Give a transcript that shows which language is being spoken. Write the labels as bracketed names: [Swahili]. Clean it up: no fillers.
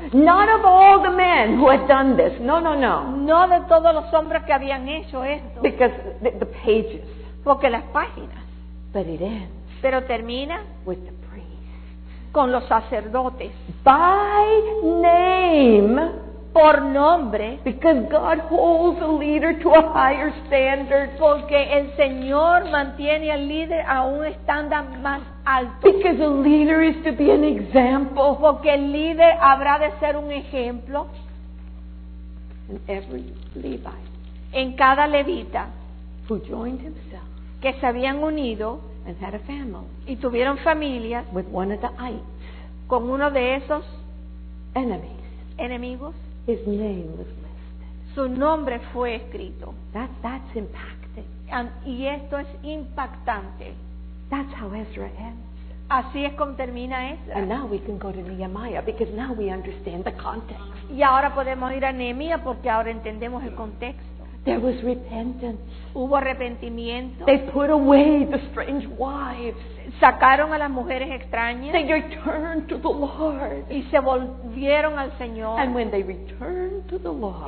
[English] Not of all the men who had done this. [Spanish] No, no, no. No de todos los hombres que habían hecho esto. [English] Because the pages. [Spanish] Porque las páginas. [English] But it ends. [Spanish] Pero termina. [English] With the [Spanish] con los sacerdotes. [English] By name. [Spanish] Por nombre. [English] Because God holds a leader to a higher standard. [Spanish] Porque el Señor mantiene al líder a un estándar más alto. [English] Because a leader is to be an example. [Spanish] Porque el líder habrá de ser un ejemplo. [English] And every Levite. [Spanish] En cada levita. [English] Who joined himself. [Spanish] Que se habían unido. [English] And had a family. [Spanish] Y tuvieron familia. [English] With one of the ites. [Spanish] Con uno de esos [English] enemies. [Spanish] Enemigos. [English] His name was listed. [Spanish] Su nombre fue escrito. [English] That's impacting. [Spanish] Y esto es impactante. [English] That's how Ezra ends. [Spanish] Así es como termina Ezra. [English] And now we can go to Nehemiah because now we understand the context. [Spanish] Y ahora podemos ir a Nehemiah porque ahora entendemos el contexto. [English] There was repentance. [Spanish] Hubo arrepentimiento. [English] They put away the strange wives. [Spanish] Sacaron a las mujeres extrañas. [English] They returned to the Lord. [Spanish] Y se volvieron al Señor. [English] And when they returned to the Lord,